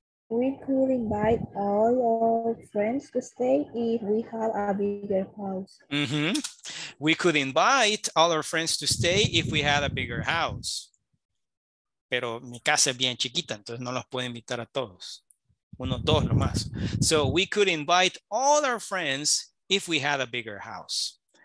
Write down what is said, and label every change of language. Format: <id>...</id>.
<en>We could invite all our friends to stay if we have a bigger house. We could invite all our friends to stay if we had a bigger house.</en> <es>Pero mi casa es bien chiquita, entonces no los puedo invitar a todos. Uno, dos nomás.</es> <en>So we could invite all our friends if we had a bigger house.</en>